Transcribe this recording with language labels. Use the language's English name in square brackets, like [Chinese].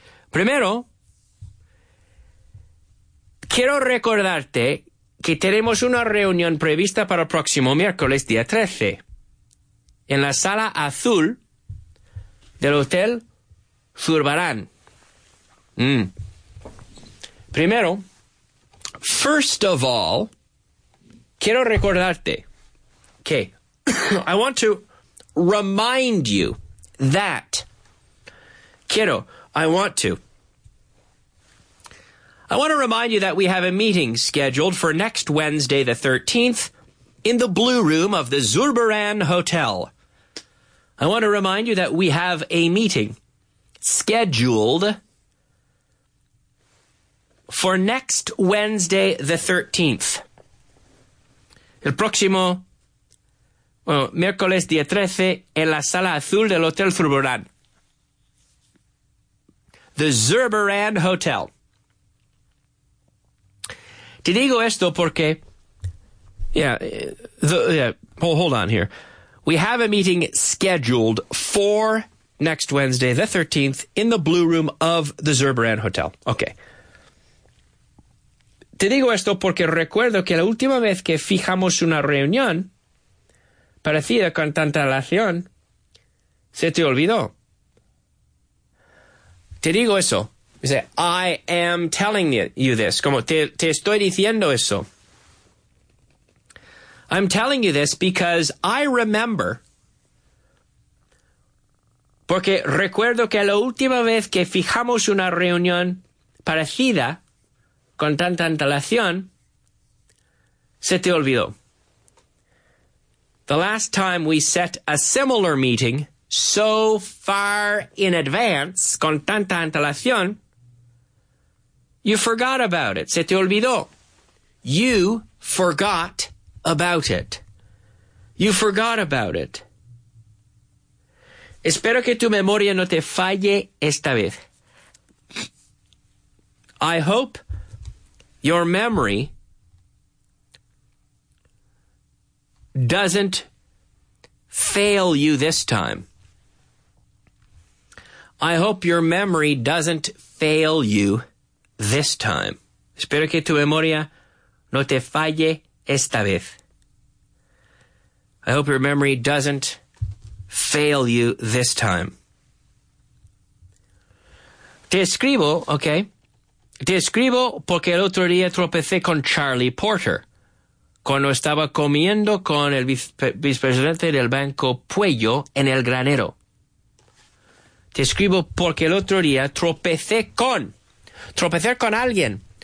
[Spanish] Primero, quiero recordarte que tenemos una reunión prevista para el próximo miércoles, día 13, en la sala azul del Hotel Zurbarán. Primero, [English] first of all, [Spanish] quiero recordarte que [English] I want to remind you that I want to remind you that we have a meeting scheduled for next Wednesday, the 13th, in the Blue Room of the Zurbarán Hotel. I want to remind you that we have a meeting scheduled for next Wednesday, the 13th. [Spanish] El próximo, Bueno, miércoles día 13 en la sala azul del Hotel Zurbarán. [English] The Zurbarán Hotel. [Spanish] Te digo esto porque... [English] hold on here. We have a meeting scheduled for next Wednesday, the 13th, in the Blue Room of the Zurbarán Hotel. Okay. [Spanish] Te digo esto porque recuerdo que la última vez que fijamos una reunión parecida con tanta relación, se te olvidó. Te digo eso. Dice, [English] I am telling you this. [Spanish] Como te estoy diciendo eso. [English] I'm telling you this because I remember. [Spanish] Porque recuerdo que la última vez que fijamos una reunión parecida con tanta antelación, se te olvidó. [English] The last time we set a similar meeting so far in advance, [Spanish] con tanta antelación, [English] you forgot about it. [Spanish] Se te olvidó. [English] You forgot about it. You forgot about it. [Spanish] Espero que tu memoria no te falle esta vez. [English] I hope your memory doesn't fail you this time. I hope your memory doesn't fail you this time. [Spanish] Espero que tu memoria no te falle esta vez. [English] I hope your memory doesn't fail you this time. [Spanish] Te escribo porque el otro día tropecé con Charlie Porter cuando estaba comiendo con el vicepresidente del Banco Puello en el granero. Te escribo porque el otro día tropecé con alguien.